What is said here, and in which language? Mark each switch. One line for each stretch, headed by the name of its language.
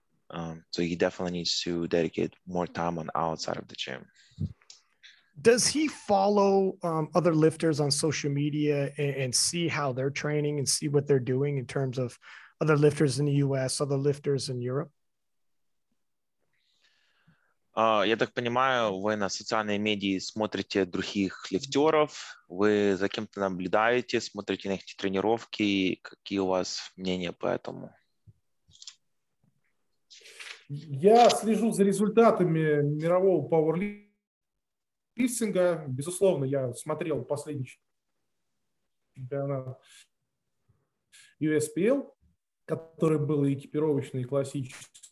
English: So he definitely needs to dedicate more time on outside of the gym. Does he follow other lifters on social media and see how they're training and see what they're doing in terms of other lifters in the US, other lifters in Europe?
Ukrainian: Я так понимаю, ви на соціальній медії смотрите других ліфтерів, ви за ким-то наблюдаєте, смотрите на їх тренування, які у вас
Russian: мнения по этому? Я слежу за результатами мирового пауэрлифтинга. Лифтинга, безусловно, я смотрел последний чемпионат USPL, который был экипировочный и классический.